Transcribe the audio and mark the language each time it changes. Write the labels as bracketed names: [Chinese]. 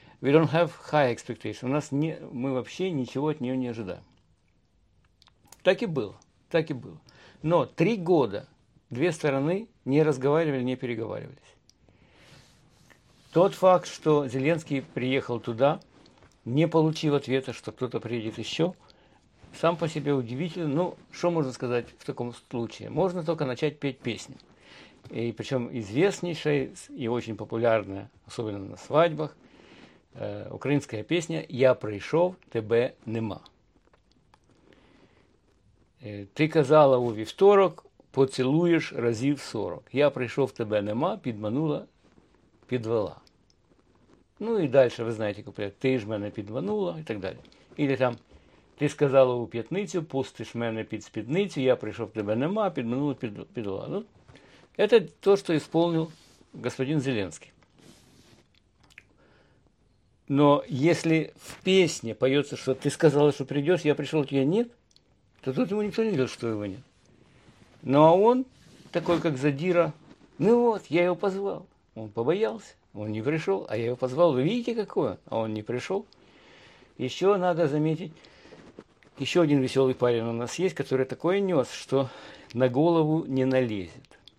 [English] We don't have high expectation. [Russian] Мы вообще ничего от нее не ожидаем. Так и было. Но 3 года две стороны не разговаривали, не переговаривались. Тот факт, что Зеленский приехал туда, не получив ответа, что кто-то приедет еще, сам по себе удивительно. Ну, что можно сказать в таком случае? Можно только начать петь песни. И причем известнейшая и очень популярная, особенно на свадьбах, украинская песня [Ukrainian] «Я прийшов, тебе нема». «Ты казала у вівторок, поцілуєш разів 40. Я прийшов, тебе нема, підманула, підвела». Ну і далі, ви знаєте, куплять, «ти ж мене підманула» і так далі. Ілі там «ти сказала у п'ятницю, пустиш мене під спідницю, я прийшов, тебе нема, підманула, підвела». Ну, це те, що ісполнив господин Зеленський. Но якщо в пісні поється, що «ти сказала, що прийдеш, я прийшов, тебе ні», то тут йому ніхто не говорить, що його ні. [Russian] Ну, а он такой, как задира, ну вот, я его позвал. Он побоялся, он не пришел, а я его позвал. Вы видите, какой он? А он не пришел. Еще надо заметить, еще один веселый парень у нас есть, который такое нес, что на голову не налезет.